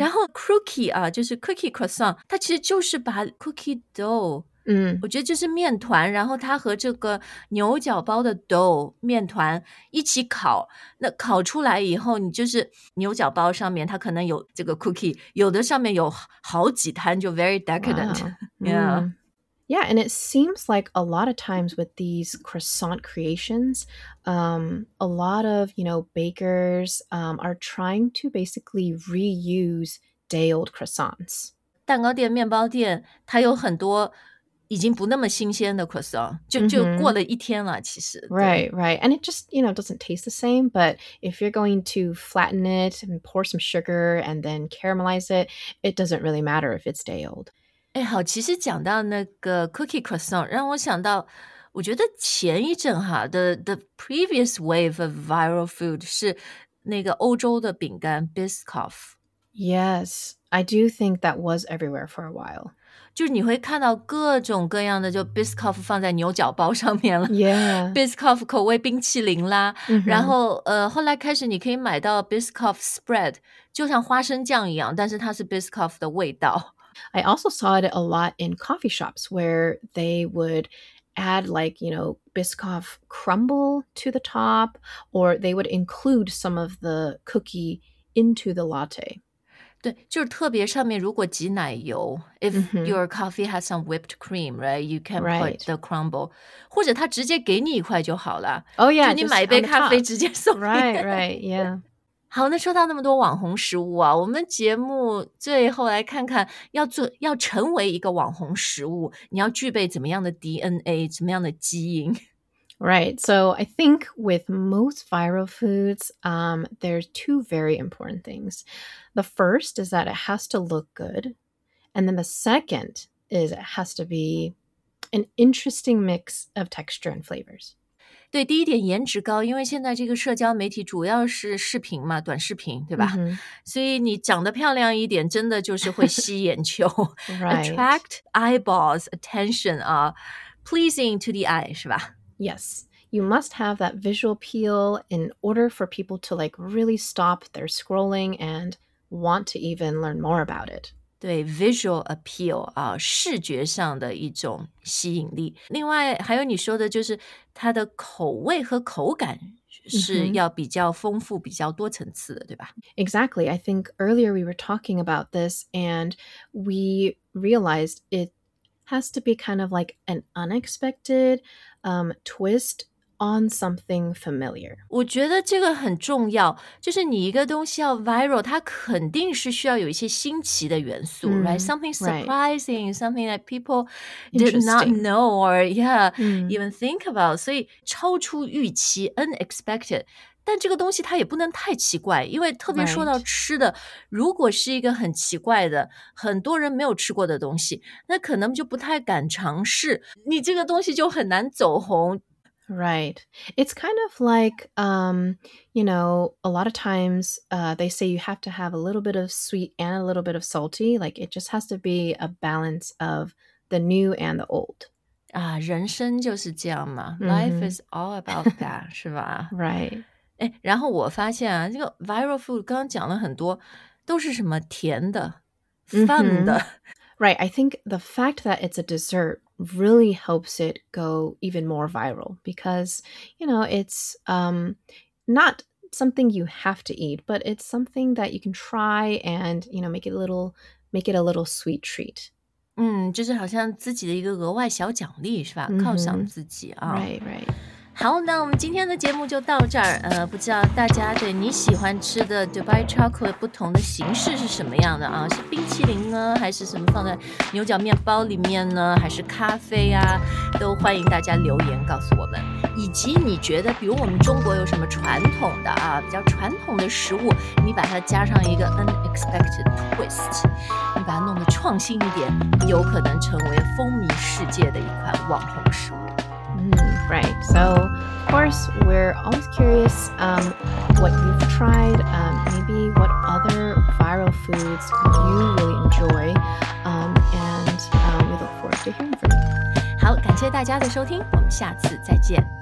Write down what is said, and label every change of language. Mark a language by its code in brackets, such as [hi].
[zh] 然后 crookie 啊，就是 cookie croissant， 它其实就是把 cookie dough。嗯，我觉得就是面团，然后它和这个牛角包的 dough 面团一起烤，那烤出来以后，你就是牛角包上面它可能有这个 cookie， 有的上面有好几摊，就 [en] very decadent， wow, yeah， Yeah, and it seems like a lot of times with these croissant creations, a lot of, you know, bakers are trying to basically reuse day-old croissants. [zh] 蛋糕店、面包店，它有很多已经不那么新鲜的 croissant， 就过了一天了。其实 [en] ，right, right, and it just, you know, doesn't taste the same. But if you're going to flatten it and pour some sugar and then caramelize it, it doesn't really matter if it's day old. [zh] 哎，好，其实讲到那个 cookie croissant， 让我想到，我觉得前一阵哈 ， [en] the previous wave of viral food [zh] 是那个欧洲的饼干 Biscoff。 [en] Yes, I do think that was everywhere for a while. [zh] 就是你会看到各种各样的，就 Biscoff 放在牛角包上面了。 [en] Yeah. [zh] Biscoff 口味冰淇淋啦。 Mm-hmm. 然后后来开始你可以买到 Biscoff spread， 就像花生酱一样，但是它是 Biscoff 的味道。 [en] I also saw it a lot in coffee shops where they would add like, you know, Biscoff crumble to the top, or they would include some of the cookie into the latte. [zh] 对，就是特别上面如果挤奶油 ，if、mm-hmm. [en] your coffee has some whipped cream, right? You can put the crumble, [zh] 或者他直接给你一块就好了。 [en] Oh yeah, [zh] 就你买一杯咖啡直接送。 [en] Right, right, yeah. [zh] 好，那说到那么多网红食物啊，我们节目最后来看看，要成为一个网红食物，你要具备怎么样的 DNA， 怎么样的基因？ [en] Right, so I think with most viral foods, there's two very important things. The first is that it has to look good. And then the second is it has to be an interesting mix of texture and flavors. [zh] 对，第一点颜值高，因为现在这个社交媒体主要是视频嘛，短视频，对吧？ Mm-hmm. 所以你长得漂亮一点，真的就是会吸眼球。 [en] Right. Attract eyeballs, attention, pleasing to the eye, [zh] 是吧？ [en] Yes, you must have that visual appeal in order for people to like really stop their scrolling and want to even learn more about it. [zh] 对 visual appeal 啊，视觉上的一种吸引力。另外还有你说的就是它的口味和口感是要比较丰富、比较多层次的，对吧？ [en] Exactly. I think earlier we were talking about this and we realized it has to be kind of like an unexpected twist on something familiar. [zh] 我觉得这个很重要，就是你一个东西要 viral， 它肯定是需要有一些新奇的元素， right? [en] Something surprising, right. Something that people did not know or even think about. [zh] 所以超出预期 unexpected， 但这个东西它也不能太奇怪，因为特别说到吃的， [en] right. [zh] 如果是一个很奇怪的，很多人没有吃过的东西，那可能就不太敢尝试，你这个东西就很难走红。 [en] Right. It's kind of like, you know, a lot of times they say you have to have a little bit of sweet and a little bit of salty. Like it just has to be a balance of the new and the old. [zh] 啊，人生就是这样嘛。 [en] Life is all about that, [zh] 是吧？ [en] Right. [zh] 哎，然后我发现啊，这个 viral food 刚刚讲了很多，都是什么甜的、饭的。 [en] Right. I think the fact that it's a dessert really helps it go even more viral because, you know, it's not something you have to eat, but it's something that you can try and, you know, make it a little sweet treat. [zh] 就是好像自己的一个额外小奖励是吧？犒赏自己啊。 [en] Right, right. [zh] 好，那我们今天的节目就到这儿。不知道大家对你喜欢吃的 Dubai chocolate 不同的形式是什么样的啊？是冰淇淋呢，还是什么放在牛角面包里面呢？还是咖啡啊？都欢迎大家留言告诉我们。以及你觉得，比如我们中国有什么传统的啊，比较传统的食物，你把它加上一个 unexpected twist， 你把它弄得创新一点，有可能成为风靡世界的一款网红食物。 [en] Right, so of course we're always curious what you've tried, maybe what other viral foods you really enjoy, and we look forward to hearing from you. [zh] 好，感谢大家的收听，我们下次再见。